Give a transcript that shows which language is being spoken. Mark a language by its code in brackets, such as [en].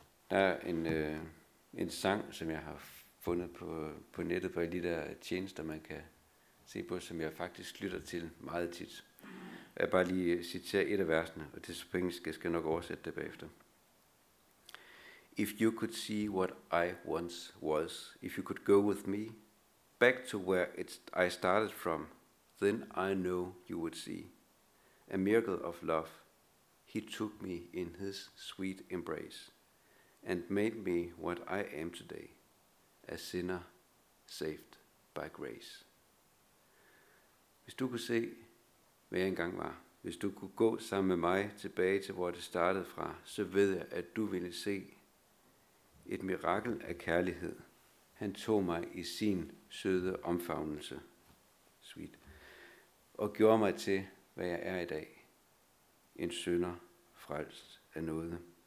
[da] Der er en sang, som jeg har fundet på nettet på de der tjenester, man kan se på, som jeg faktisk lytter til meget tit. Jeg bare lige citerer et af versene, og det er så på engelsk, jeg skal nok oversætte det bagefter. [en] If you could see what I once was, if you could go with me back to where I started from, then I know you would see a miracle of love. He took me in his sweet embrace and made me what I am today, a sinner saved by grace. [da] Hvis du kunne se, hvad jeg engang var, hvis du kunne gå sammen med mig tilbage til, hvor det startede fra, så ved jeg, at du ville se et mirakel af kærlighed. Han tog mig i sin søde omfavnelse, sweet, og gjorde mig til, hvad jeg er i dag, en synder frelst af noget.